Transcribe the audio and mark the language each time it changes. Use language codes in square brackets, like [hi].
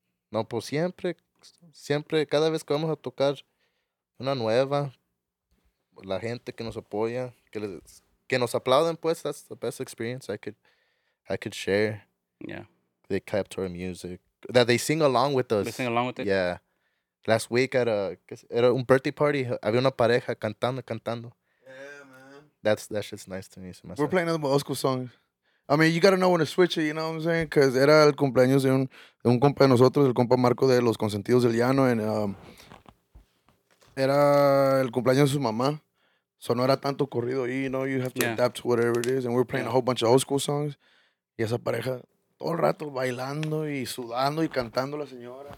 [es] No, pues siempre, cada vez que vamos a tocar una nueva, la gente que nos apoya, que nos aplauden, pues, [en] that's the best experience I could share. Yeah. They clap to our music. That they sing along with us. They sing along with it? Yeah. Last week at [es] era un [en] birthday party, [es] había una pareja cantando. [en] Yeah, man. That shit's nice to me. So we're playing another old school songs. I mean, you gotta know when to switch it, you know what I'm saying? [es] Because era el cumpleaños de un compa de nosotros, el compa Marco de Los Consentidos del Llano, and era el cumpleaños de su mamá. [en] So [es] no era tanto corrido ahí, [en] you know, you have to adapt to whatever it is. And we're playing a whole bunch of old school songs. [es] Y esa pareja, todo el rato bailando y sudando y cantando la señora.